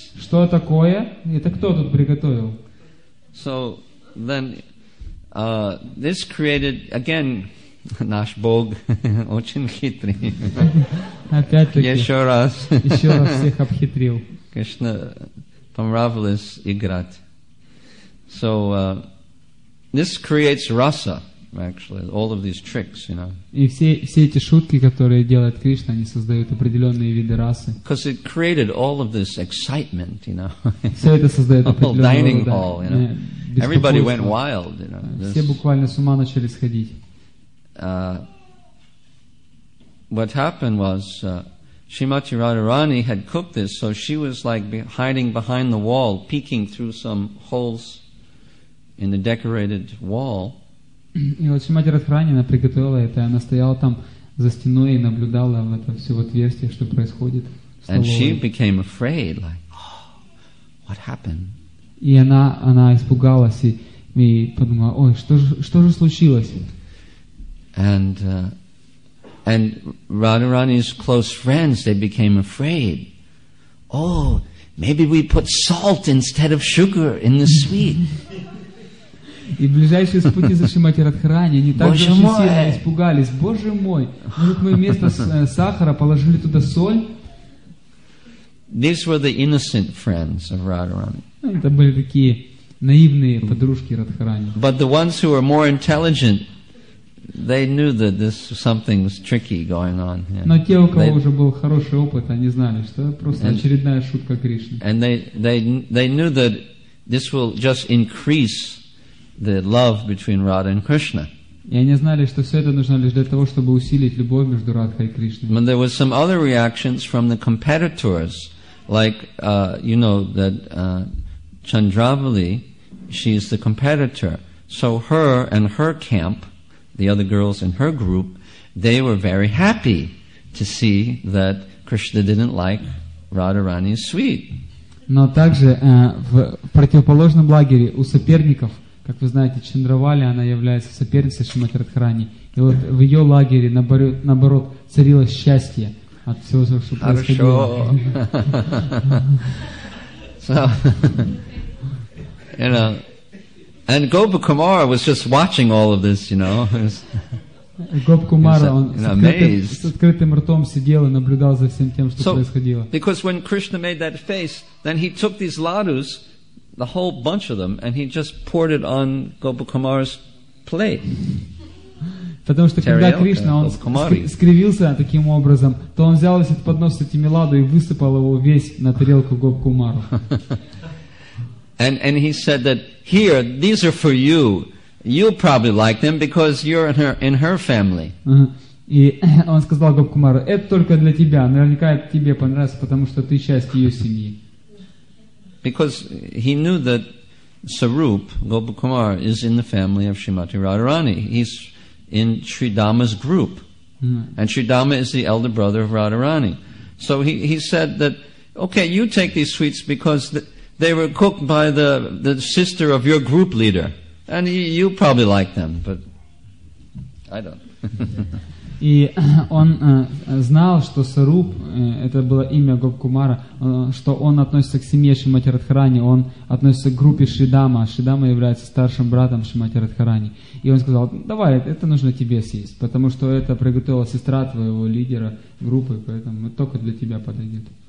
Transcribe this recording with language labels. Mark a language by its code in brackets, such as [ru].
[ru] Что такое? Это кто тут приготовил?" [en] So then, this created again [ru] Наш Бог очень хитрый. Опять-таки. Еще раз. Еще раз всех обхитрил. Конечно, понравилось играть. [en] So, this creates rasa, actually, all of these tricks, you know. [ru] И все эти шутки, которые делает Кришна, они создают определенные виды расы. [en] Because it created all of this excitement, you know. [ru] Все это создает определенного рода. [en] Dining hall, you know. Everybody went wild, you know. [ru] Все буквально с ума начали сходить. [en] What happened was Srimati Radharani had cooked this, so she was like hiding behind the wall, peeking through some holes in the decorated wall. [ru] И вот Шримати Радхарани приготовила это, и она стояла там за стеной и наблюдала в это все отверстие, что происходит. [en] And she became afraid, like, oh, what happened? [ru] И она испугалась и подумала, ой, что же случилось? [en] And Radharani's close friends, they became afraid. Oh, maybe we put salt instead of sugar in the sweet. [ru] И ближайшие спутники за Шримати Радхарани, они так же сильно испугались. Боже мой! Вдруг мы вместо сахара положили туда соль? [en] These were the innocent friends of Radharani. [ru] Это были такие наивные подружки Радхарани. [en] But the ones who were more intelligent, they knew that this something was tricky going on. Yeah. [ru] Но те, у кого уже был хороший опыт, они знали, что это просто очередная шутка Кришны. [en] And they knew that this will just increase the love between Radha and Krishna. [ru] И они знали, что все это нужно лишь для того, чтобы усилить любовь между Радхой и Кришной. [en] But there was some other reactions from the competitors, like you know that Chandravali, she is the competitor, so her and her camp, the other girls in her group, they were very happy to see that Krishna didn't like Radharani's sweet. [ru] Но также в противоположном лагере у соперников, как вы знаете, Чандравали, она является соперницей Шримати Радхарани. И вот в ее лагере наоборот царило счастье от всего, что хорошо происходило. [en] So, you know, and Gopa Kumara was just watching all of this, you know. Gopa Kumara, he was amazed. Because when Krishna made that face, then he took these ladus, the whole bunch of them, and he just poured it on Gopa Kumara's plate. [ru] Потому что когда Кришна, он скривился таким образом, то он взял этот поднос с этими ладу и высыпал его весь на тарелку Гопа Кумара. [en] And he said that, here, these are for you. You'll probably like them because you're in her family. [ru] И он сказал Гопа Кумару, это только для тебя. Наверняка это тебе понравится, потому что ты часть ее семьи. [en] Because he knew that Sarup, Gopa Kumar, is in the family of Srimati Radharani. He's in Sridhama's group. And Sridhama is the elder brother of Radharani. So he said that, okay, you take these sweets because they were cooked by the sister of your group leader. And you probably like them, but I don't. [ru] И он знал, что Саруп, это было имя Гопа Кумара, что он относится к семье Шримати Радхарани, он относится к группе Шридама, а Шридама является старшим братом Шримати Радхарани. И он сказал, давай, это нужно тебе съесть, потому что это приготовила сестра твоего лидера группы, поэтому только для тебя подойдет.